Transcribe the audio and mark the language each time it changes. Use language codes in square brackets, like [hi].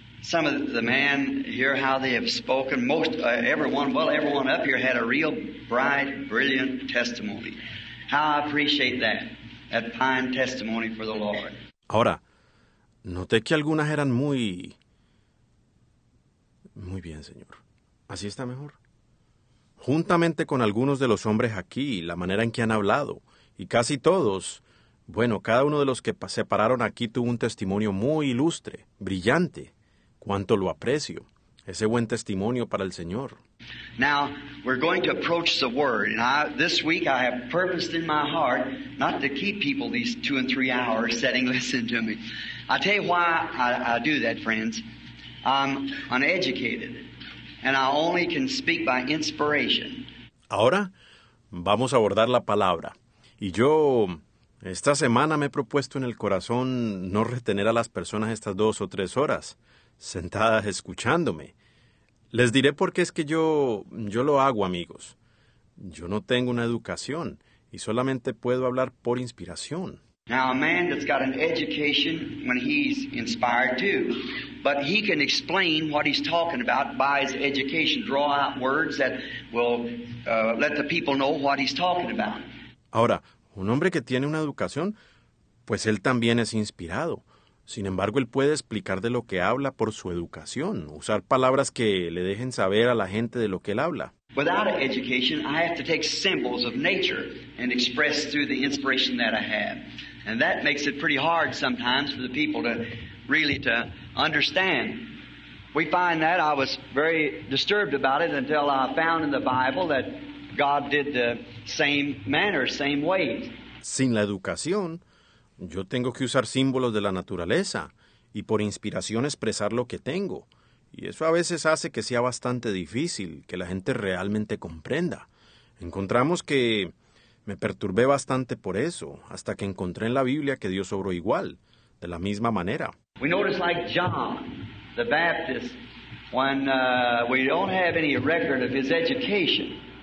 [en] Some of the men hear how they have spoken. Most, everyone up here had a real bright, brilliant testimony. How I appreciate that fine testimony for the Lord. [es] Ahora, noté que algunas eran muy bien, señor. ¿Así está mejor? Juntamente con algunos de los hombres aquí, la manera en que han hablado, y casi todos, bueno, cada uno de los que se pararon aquí tuvo un testimonio muy ilustre, brillante. Cuánto lo aprecio, ese buen testimonio para el Señor. [en] Now, we're going to approach the Word. This week I have purposed in my heart not to keep people these 2 and 3 hours sitting listening to me. I'll tell you why I do that, friends. I'm uneducated, and I only can speak by inspiration. [es] Ahora, vamos a abordar la palabra. Y yo, esta semana me he propuesto en el corazón no retener a las personas estas 2 o 3 horas. Sentadas escuchándome. Les diré por qué es que yo lo hago, amigos. Yo no tengo una educación y solamente puedo hablar por inspiración. [en] Now, a man that's got an education when he's inspired too, but he can explain what he's talking about by his education, draw out words that will let the people know what he's talking about. [es] Ahora, un hombre que tiene una educación, pues él también es inspirado. Sin embargo, él puede explicar de lo que habla por su educación, usar palabras que le dejen saber a la gente de lo que él habla. [en] Without an education, I have to take symbols of nature and express through the inspiration that I have. And that makes it pretty hard sometimes for the people to really to understand. We find that I was very disturbed about it until I found in the Bible that God did the same manner, same ways. [es] Sin la educación, yo tengo que usar símbolos de la naturaleza y por inspiración expresar lo que tengo. Y eso a veces hace que sea bastante difícil que la gente realmente comprenda. Encontramos que me perturbé bastante por eso, hasta que encontré en la Biblia que Dios obró igual, de la misma manera. [en] We notice like John, the Baptist, when we don't have any record of his education.